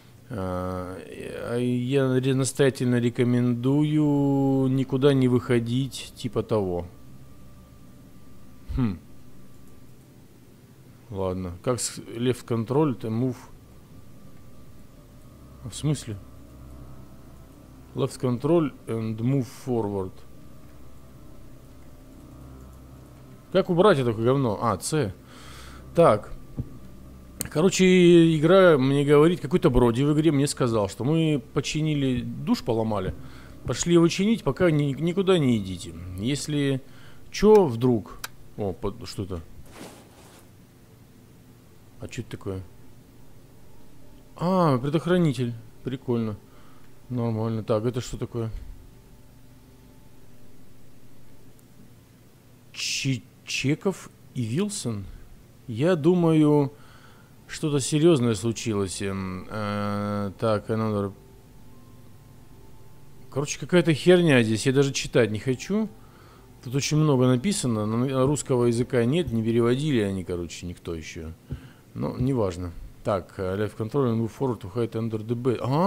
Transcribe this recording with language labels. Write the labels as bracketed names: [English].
[Russian] Я настоятельно рекомендую никуда не выходить, типа того. Хм. Ладно, как с [English] left control, это move. [Russian] В смысле? [English] Left control and move forward. [Russian] Как убрать это говно? А, C. Так. Короче, игра мне говорит, какой-то Броди в игре мне сказал, что мы починили, душ поломали. Пошли его чинить, пока никуда не идите. Если чё, вдруг... О, что это? А чё это такое? А, предохранитель. Прикольно. Нормально. Так, это что такое? Чеков и Вилсон? Я думаю, что-то серьезное случилось. Так, [English] another... [Russian] Короче, какая-то херня здесь. Я даже читать не хочу. Тут очень много написано. Но русского языка нет. Не переводили они, короче, никто еще. Но неважно. Так, [English] left control and move forward to hide under the bed.